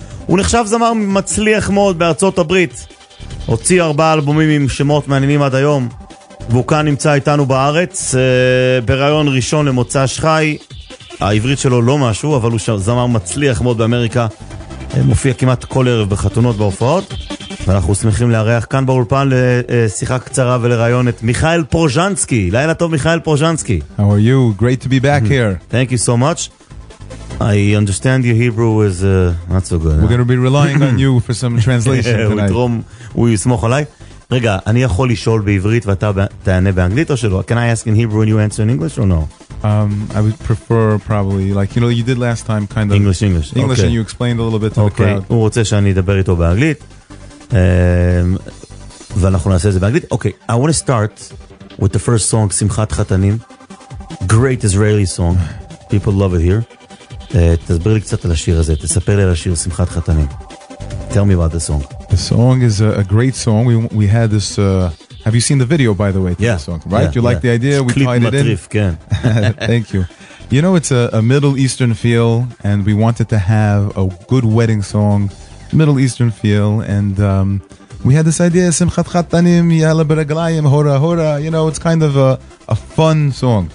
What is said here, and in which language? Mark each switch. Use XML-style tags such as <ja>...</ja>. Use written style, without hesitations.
<he>הוא נחשב זמר מצליח מאוד בארצות הברית, הוציא 4 אלבומים עם שמות מעניינים עד היום, והוא כאן נמצא איתנו בארץ, ברעיון ראשון למוצא שחי. העברית שלו לא משהו, אבל הוא זמר מצליח מאוד באמריקה, מופיע כמעט כל ערב בחתונות בהופעות, ואנחנו שמחים לארח כאן באולפן לשיחה קצרה ולרעיון את מיכאל פרוז'נסקי. לילה טוב, מיכאל פרוז'נסקי.</he> <en>How are you? Great to be back here. Thank you so much. I understand your Hebrew is not so good. We're going to be relying on you for some translation tonight.</en> <he>הוא יתרום, הוא יסמוך עליי. רגע, אני יכול לשאול בעברית ואתה תענה באנגלית או שלא?</he> <en>Can I ask in Hebrew and you answer in English or no? I would prefer probably, like, you know, you did last time kind of... English. English, okay. And you explained a little bit to okay. the crowd.</en> <he>הוא רוצה שאני אדבר איתו באנגלית. ואנחנו נעשה את זה באנגלית.</he> <en>Okay, I want to start with the first song, שמחת חתנים. Great Israeli song. People love it here.</en> <he>תסביר לי קצת על השיר הזה, תספר לי על השיר שמחת חתנים.</he> <en>Tell me about the song. The song is a great song. We had this have you seen the video, by the way, to yeah. the song, right? Yeah, you like yeah. the idea? We tied it matrif, in. Can. Thank you. You know, it's a Middle Eastern feel, and we wanted to have a good wedding song, Middle Eastern feel, and we had this idea, Simchat Chatanim, Yala Beraglayim, Hora Hora, you know, it's kind of a fun song.</en>